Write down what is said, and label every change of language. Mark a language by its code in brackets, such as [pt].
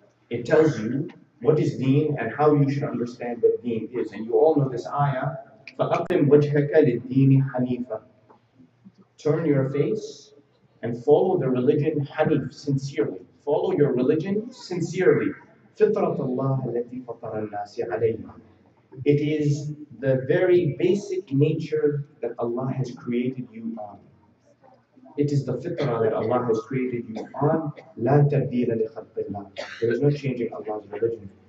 [en] It tells you what is deen and how you should understand what deen is. [ar] And you all know this ayah, فَأَقِمْ وَجْهَكَ لِلدِّينِ حَنِيفًا. [en] Turn your face and follow the religion hanif, sincerely, follow your religion sincerely. [ar] فطرت الله التي فطر الناس عليها. [en] It is the very basic nature that Allah has created you on. It is the fitra that Allah has created you on. [ar] لا تبديل لخلق الله. [en] There is no changing Allah's religion.